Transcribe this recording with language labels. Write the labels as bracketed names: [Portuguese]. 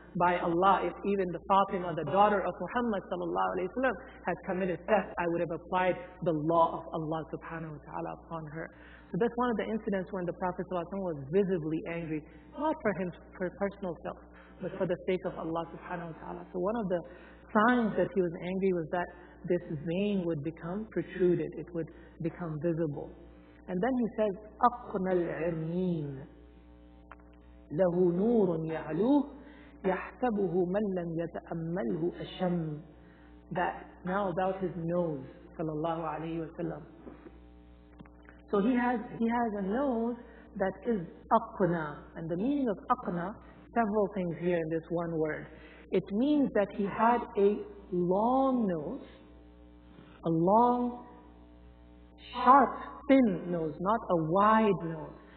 [English] By Allah, if even the Fatima, the daughter of Muhammad sallallahu alayhi wa sallam, had committed theft, I would have applied the law of Allah subhanahu wa ta'ala upon her. So that's one of the incidents when the Prophet sallallahu alayhi wa sallam was visibly angry, not for him, for personal self, but for the sake of Allah subhanahu wa ta'ala. So one of the signs that he was angry was that this vein would become protruded, it would become visible. And then he says, [Arabic] أَقْنَ الْعِرْمِينَ لَهُ نُورٌ يَعْلُوهُ يَحْتَبُهُ مَنْ لَمْ يَتَأَمَّلْهُ أَشَمٌ. [English] That now about his nose, sallallahu alayhi wa sallam. So he has a nose that is أَقْنَ. And the meaning of أَقْنَ, several things here in this one word. It means that he had a long nose, a long, sharp, thin nose, not a wide nose.